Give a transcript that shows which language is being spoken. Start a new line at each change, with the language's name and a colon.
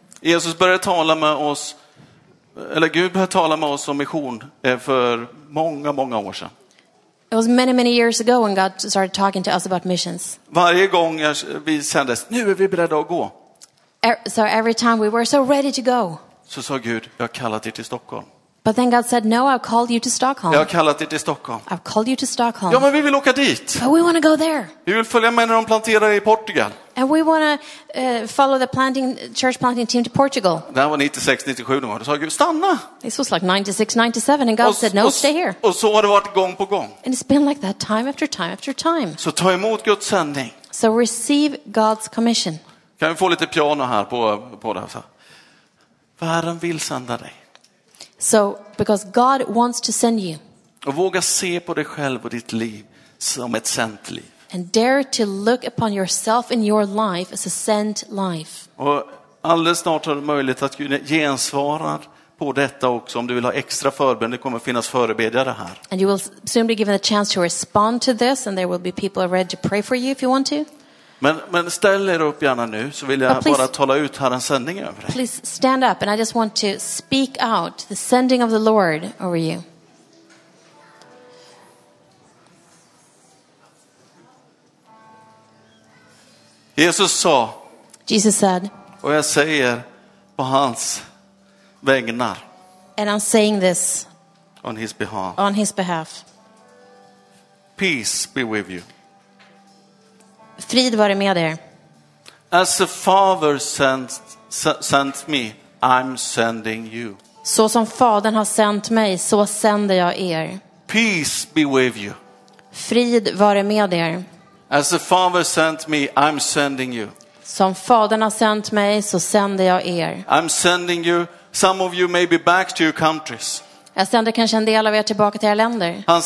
Swedish: Jesus började tala med oss, eller Gud började tala med oss om mission för många, många år sedan.
English: It was many, many years ago when God started talking to us about missions.
Swedish: Varje gång vi sändes, nu är vi beredda att gå.
English: So every time we were so ready to go.
Swedish: Så sa Gud, jag har kallat dig till Stockholm.
English: But then God said, no, I've called you to Stockholm.
Swedish: Jag har kallat dig till Stockholm.
English: I've called you to Stockholm.
Swedish: Ja, men vi vill åka dit.
English: But we want to go there.
Swedish: Vi vill följa med när de planterar i Portugal.
English: And we want to follow the planting church planting team to Portugal.
Swedish: Det här var 96-97 då. Då sa Gud, stanna.
English: This was like 96-97 and God said, no, stay here.
Swedish: Och så har det varit gång på gång.
English: And it's been like that time after time after time.
Swedish: Så ta emot Guds sändning.
English: So receive God's commission.
Swedish: Kan vi få lite piano här på det här? Världen vill sända dig.
English: So because God wants to send you.
Swedish: Och våga se på dig själv och ditt liv som ett sänt liv.
English: And dare to look upon yourself and your life as a sent life.
Swedish: Och alldeles snart har du möjlighet att gensvara på detta också. Om du vill ha extra förbön, det kommer finnas förebedjare här.
English: And you will soon be given a chance to respond to this, and there will be people ready to pray for you if you want to.
Swedish: Men ställ er upp gärna nu, så vill jag bara tala ut Herrens sändning över dig.
English: Please stand up, and I just want to speak out the sending of the Lord over you.
Swedish: Jesus sa.
English: Jesus said.
Swedish: Och jag säger på hans vägnar.
English: And I'm saying this on his behalf. On his behalf. Peace be with you.
Swedish: Frid vare med er.
English: As the Father sent me, I'm sending you.
Swedish: Så som Fadern har sänt mig, så sänder jag er.
English: Peace be with you.
Swedish: Frid vare med er.
English: As the Father sent me, I'm sending you.
Swedish: Som Fadern har sänt mig, så sänder jag er.
English: I'm sending you. Some of you may be back to your countries.
Swedish: Jag sänder kanske en del av er tillbaka till era länder.